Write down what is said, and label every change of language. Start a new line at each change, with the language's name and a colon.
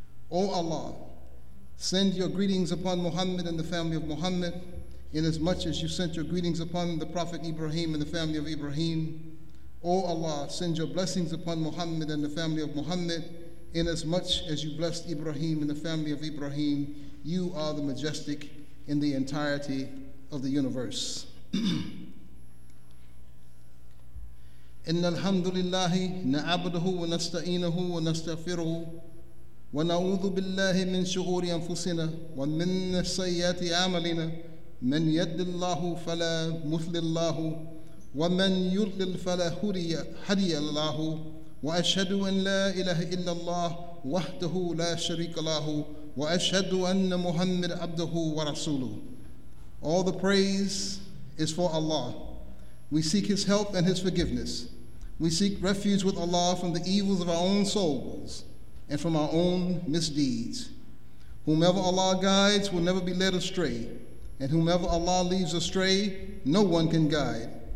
English: O Allah, send your greetings upon Muhammad and the family of Muhammad, inasmuch as you sent your greetings upon the Prophet Ibrahim and the family of Ibrahim. O Allah, send your blessings upon Muhammad and the family of Muhammad, inasmuch as you blessed Ibrahim and the family of Ibrahim. You are the majestic in the entirety of the universe.
Arabic: Inna alhamdulillahi na'abduhu wa nasta'inuhu wa nastaghfiruhu ونعوذ بالله من شرور أنفسنا ومن سيئات أعمالنا من يهد الله فلا مضل له ومن يضلل فلا هادي له وأشهد أن لا إله إلا الله وحده لا شريك له وأشهد أن محمد عبده ورسوله.
English: All the praise is for Allah. We seek His help and His forgiveness. We seek refuge with Allah from the evils of our own souls and from our own misdeeds. Whomever Allah guides will never be led astray, and whomever Allah leaves astray, no one can guide.